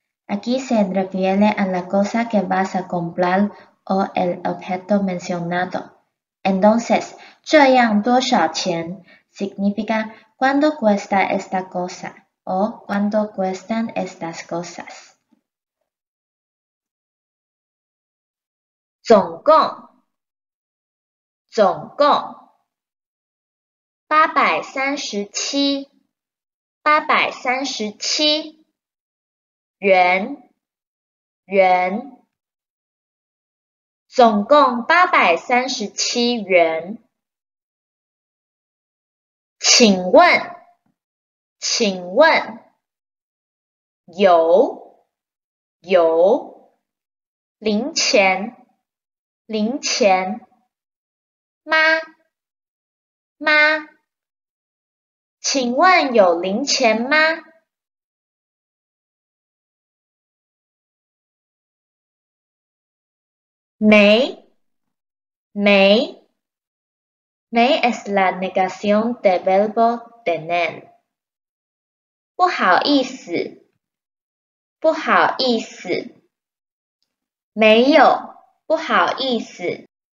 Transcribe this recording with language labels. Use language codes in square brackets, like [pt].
[es] Aquí se refiere a la cosa que vas a comprar o el objeto mencionado. Entonces, [zh] 这样多少钱 [es] significa ¿cuánto cuesta esta cosa? O ¿cuánto cuestan estas cosas? [zh] 总共, 总共, 837, 837, 元, 元, 总共837元, 请问, 请问, 有, 有, 零钱, 零钱, 妈, 妈, 请问有零钱吗? [es] 没, 没, 没 es la negación del verbo tener. [zh] 不好意思, 不好意思, 没有, 不好意思,